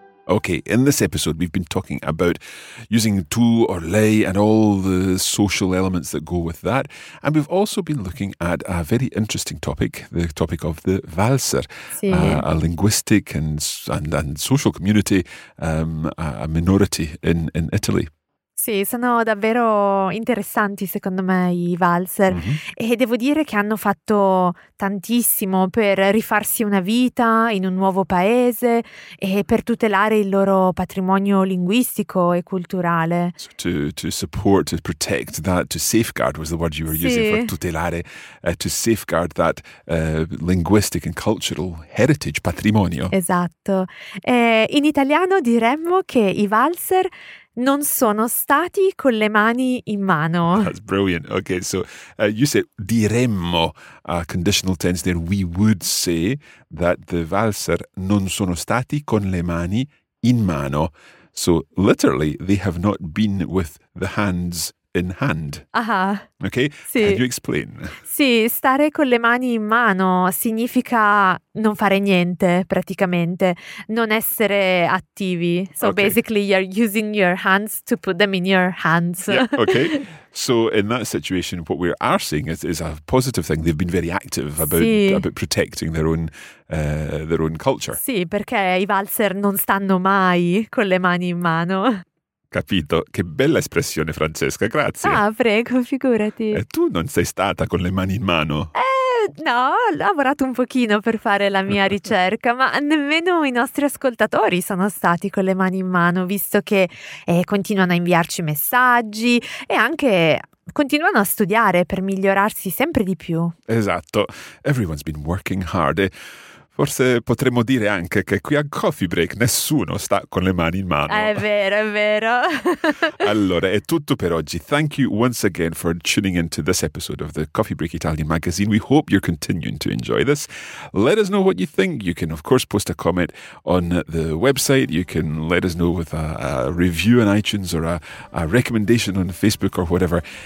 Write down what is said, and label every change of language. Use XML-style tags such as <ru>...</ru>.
<en>Okay, in this episode, we've been talking about using tu or lei and all the social elements that go with that. And we've also been looking at a very interesting topic, the topic of the valser,</en> <it>sí.</it> <en>A linguistic and social community, a minority in Italy.</en> <it>Sì, Sì, sono davvero interessanti secondo me i valzer e devo dire che hanno fatto tantissimo per rifarsi una vita in un nuovo paese e per tutelare il loro patrimonio linguistico e culturale.</it> <en>To support, to protect that, to safeguard was the word you were using for</en> <it>Sì.</it> <en>tutelare, to safeguard that linguistic and cultural heritage, patrimonio.</en> <it>Esatto. In italiano diremmo che i valzer non sono stati con le mani in mano.</it> <en>That's brilliant. Okay, so you said diremmo, a conditional tense there. We would say that the</en> <it>valzer non sono stati con le mani in mano.</it> <en>So literally, they have not been with the hands in hand. Ah, Okay, can</en> <it>sì.</it> <en>you explain?</en> <it>Sì, stare con le mani in mano significa non fare niente, praticamente, non essere attivi.</it> <en>So Okay. basically you're using your hands to put them in your hands. Yeah, okay. So in that situation, what we are seeing is a positive thing. They've been very active</en> <it>Sì.</it> <en>about protecting their own culture.</en> <it>Sì, perché i valzer non stanno mai con le mani in mano. Capito? Che bella espressione, Francesca, Ah, grazie. prego, figurati. E tu non sei stata con le mani in mano? No, ho lavorato un pochino per fare la mia ricerca, ma nemmeno i nostri ascoltatori sono stati con le mani in mano, visto che continuano a inviarci messaggi e anche continuano a studiare per migliorarsi sempre di più. Esatto,</it> <en>everyone's been working hard.</en> <it>E forse potremmo dire anche che qui a Coffee Break nessuno sta con le mani in È mano. vero, è vero. Allora, è tutto per oggi.</it> <en>Thank you once again for tuning in to this episode of the Coffee Break Italian magazine. We hope you're continuing to enjoy this. Let us know what you think. You can, of course, post a comment on the website. You can let us know with a review on iTunes or a recommendation on Facebook or whatever.</en>